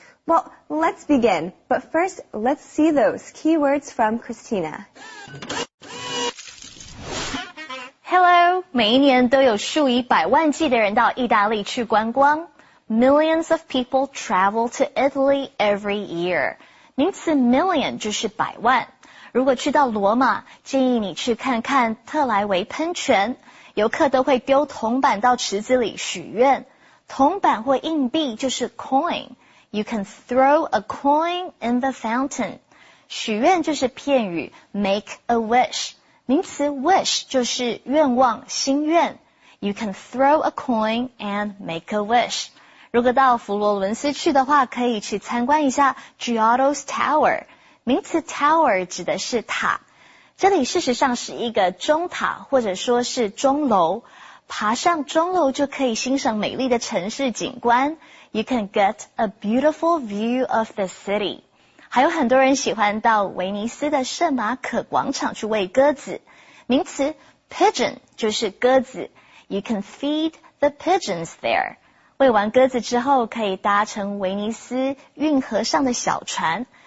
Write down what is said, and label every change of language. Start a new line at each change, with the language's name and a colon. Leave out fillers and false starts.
English: Well, let's begin. But first, let's see those keywords from Christina.
Chinese: Hello, 每一年都有数以百万计的人到意大利去观光。
English: Millions of people travel to Italy every year.
Chinese: 名词 million 就是百万。如果去到罗马，建议你去看看特莱维喷泉。游客都会丢铜板到池子里许愿。铜板或硬币就是 coin。
English: You can throw a coin in the fountain.
Chinese: 许愿就是片语 make a wish. 名词 wish 就是愿望心愿。
English: You can throw a coin and make a wish.
Chinese: 如果到佛罗伦斯去的话可以去参观一下 Giotto's Tower. 名词 tower 指的是塔。这里事实上是一个钟塔或者说是钟楼。爬上钟楼就可以欣赏美丽的城市景观。
English: You can get a beautiful view of the city.
Chinese: 还有很多人喜欢到威尼斯的圣马可广场去喂鸽子。名词 pigeon 就是鸽子。
English: You can feed the pigeons there.
Chinese: 喂完鸽子之后可以搭乘威尼斯运河上的小船。